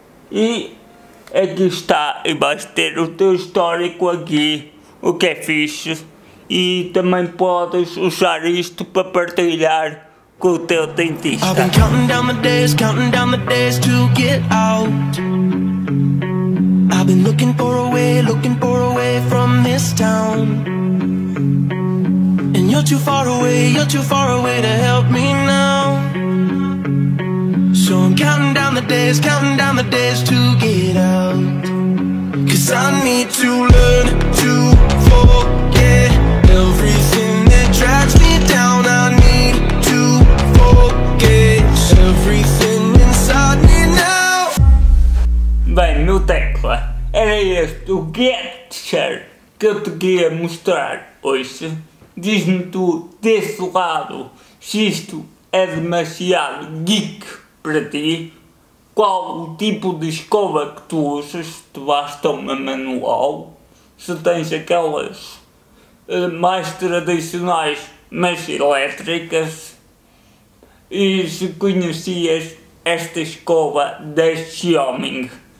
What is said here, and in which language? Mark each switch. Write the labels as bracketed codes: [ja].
[pt] E aqui está, e vais ter o teu histórico aqui, o que é fixe. E também podes usar isto para partilhar com o teu dentista. [en] I've been counting down the days to get out. I've been looking for a way from this town. And you're too far away to help me now. So I'm counting down the days to get out. Cause I need to learn to forget everything that drags me down. I need to forget everything inside me now. [pt] Bem, no tecla, era este o Getcher que eu te queria mostrar hoje. Diz-me tu, desse lado, se isto é demasiado geek para ti, qual o tipo de escova que tu usas, se te basta uma manual, se tens aquelas mais tradicionais, mas elétricas, e se conhecias esta escova da Xiaoming.